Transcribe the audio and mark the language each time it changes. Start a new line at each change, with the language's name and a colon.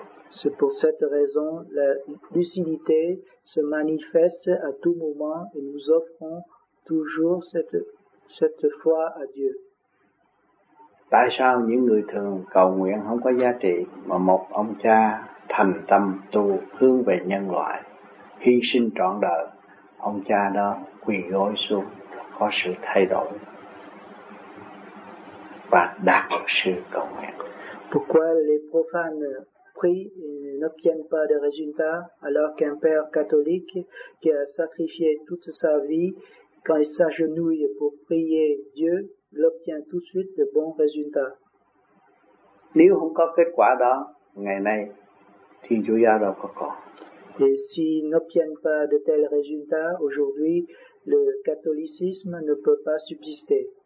French: C'est pour cette raison la lucidité se manifeste à tout moment et nous offrons toujours cette foi à Dieu.
Vietnamese: Tại sao những người thường cầu nguyện không có giá trị mà một ông cha thành tâm tu hướng về nhân loại hy sinh trọn đời ông cha đó quỳ gối xuống có sự thay đổi và đạt được sự cầu nguyện.
French: Pourquoi les profanes prient et n'obtiennent pas de résultats alors qu'un père catholique qui a sacrifié toute sa vie, quand il s'agenouille pour prier Dieu, l'obtient tout de suite de bons résultats?
Vietnamese: Nếu không có kết quả đó, ngày nay, thì Chúa Giáo đâu có còn.
French: Et s'ils n'obtiennent pas de tels résultats, aujourd'hui, le catholicisme ne peut pas subsister.